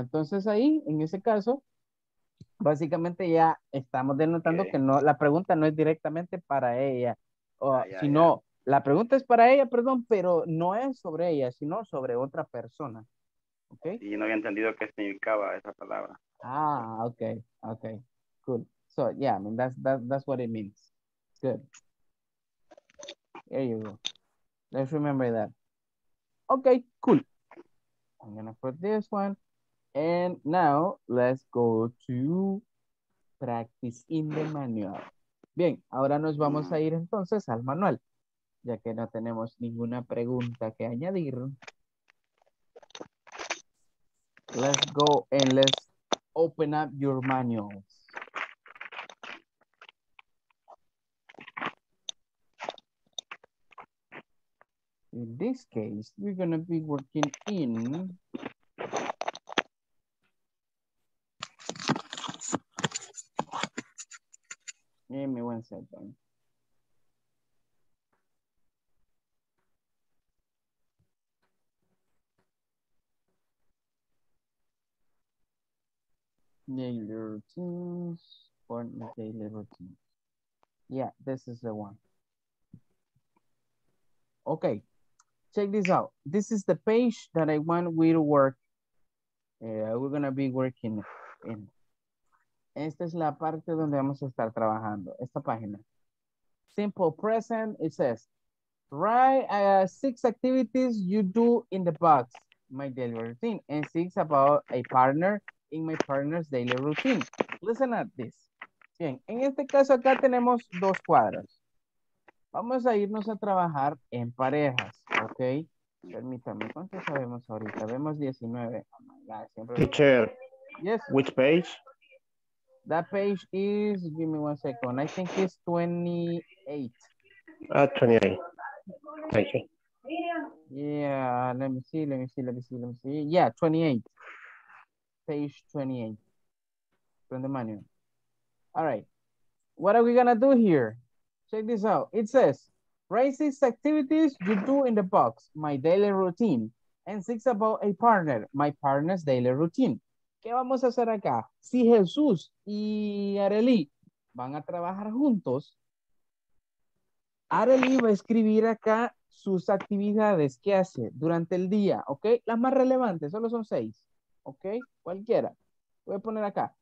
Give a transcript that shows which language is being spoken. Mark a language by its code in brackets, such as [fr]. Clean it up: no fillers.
[es] Entonces ahí, en ese caso, básicamente ya estamos denotando que no, la pregunta no es directamente para ella, la pregunta es para ella, perdón, pero no es sobre ella, sino sobre otra persona. [en] Okay. [es] Y no había entendido qué significaba esa palabra. [en] Ah, okay, cool. So, yeah, I mean, that's what it means. Good. There you go. Let's remember that. Okay, cool. I'm gonna put this one. And now, let's go to practice in the manual. [es] Bien, ahora nos vamos a ir entonces al manual, ya que no tenemos ninguna pregunta que añadir. [en] Let's go and let's open up your manuals. In this case, we're going to be working in give me 1 second. Daily routines or daily routines. Yeah, this is the one. Okay, check this out. This is the page that I want we to work. We're gonna be working in. [es] Esta es la parte donde vamos a estar trabajando. Esta página. [en] Simple present. It says, write 6 activities you do in the box. my daily routine. And six, about a partner in my partner's daily routine. Listen at this. [es] Bien, en este caso acá tenemos dos cuadros. Vamos a irnos a trabajar en parejas, ¿ok? Permítame, ¿cuántos sabemos ahorita? Vemos 19. [en] Oh my God, [es] siempre... [en] Teacher, yes. Which page? That page is, give me one second, I think it's 28. Ah, 28. Thank you. Yeah, let me see. Yeah, 28. Page 28. From the manual. All right. What are we gonna do here? Check this out. It says, write six activities you do in the box, my daily routine. And six about a partner, my partner's daily routine. [es] ¿Qué vamos a hacer acá? Si Jesús y Arely van a trabajar juntos, Arely va a escribir acá sus actividades que hace durante el día, ¿ok? Las más relevantes, solo son seis, ¿ok? Cualquiera. Voy a poner acá.